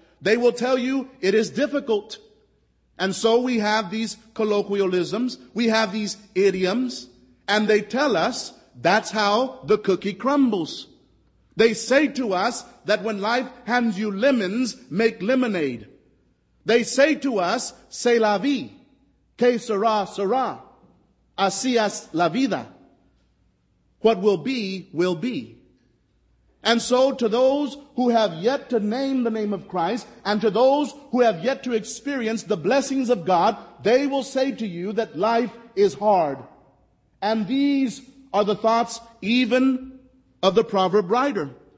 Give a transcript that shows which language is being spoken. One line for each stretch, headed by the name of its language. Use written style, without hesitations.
English: They will tell you it is difficult. And so we have these colloquialisms, we have these idioms, and they tell us That's how the cookie crumbles. They say to us that when life hands you lemons, make lemonade. They say to us,
French: c'est la vie,
Spanish: que sera, sera, así es la vida.
English: What will be, will be. And so to those who have yet to name the name of Christ, and to those who have yet to experience the blessings of God, they will say to you that life is hard. And these are the thoughts even of the proverb writer.